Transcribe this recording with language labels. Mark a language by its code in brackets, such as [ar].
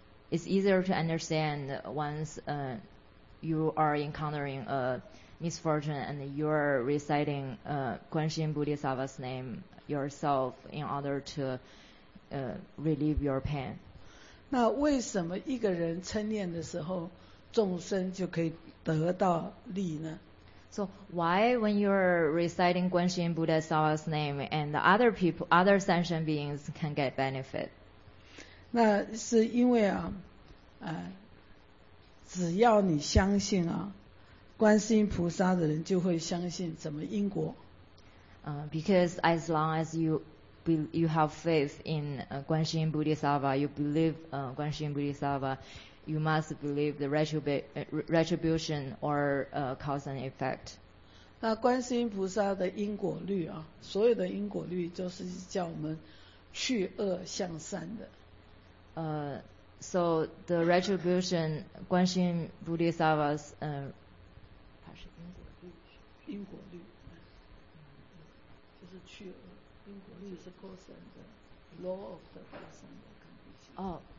[en] It's easier to understand once you are encountering a misfortune and you're reciting Guanxin Bodhisattva's name yourself in order to relieve your pain. [zh] 那为什么一个人称念的时候众生就可以得到利呢？ [en] So why when you're reciting Guanxin Bodhisattva's name and other sentient beings can get benefit? [zh] 那是因为啊，只要你相信啊，观世音菩萨的人就会相信怎么因果。 [en] Because as long as you have faith in Guanxin Bodhisattva, you believe Guanxin Bodhisattva, you must believe the retribution or cause and effect. [zh] 那观世音菩萨的因果律啊，所有的因果律就是叫我们去恶向善的。 [en] So the retribution, Guanxin Bodhisattva's, [zh] 它是因果律，因果律，就是去因果律是 [en] cause and law of the cause and condition.